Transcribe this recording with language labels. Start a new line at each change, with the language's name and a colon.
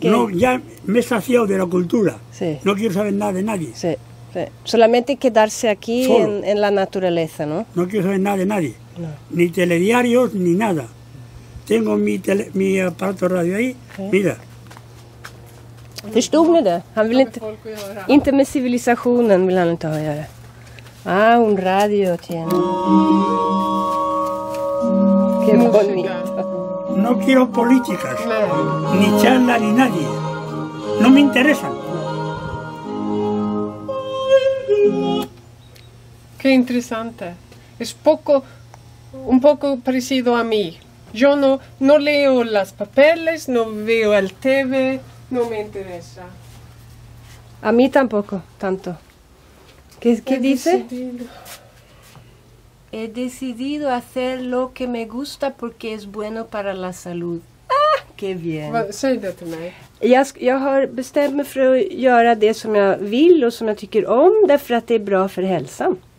Spanish: No, ya me he saciado de la cultura. Sí. No quiero saber nada de nadie. Sí, sí. Solamente quedarse aquí en la naturaleza, ¿no? No quiero saber nada de nadie. No. Ni telediarios, ni nada. Tengo mi aparato radio ahí. Sí. Mira. ¿Estás bien? ¿Han venido?
Swedish: ¿Inte med civilisationen vill han inte ha göra?
Spanish: Ah, un radio tiene. Qué bonito. No quiero políticas, ni charla ni nadie. No me interesan. Qué interesante. Es poco, un poco parecido a mí. Yo no leo los papeles, no veo el TV, no me interesa. A mí tampoco, tanto. ¿Qué dice? He decidido hacer lo que me gusta porque es bueno para la salud. ¡Ah! ¡Qué bien!
Swedish: Säg det till mig. Jag har bestämt mig för att göra det som jag vill och som jag tycker om därför att det är bra för hälsan.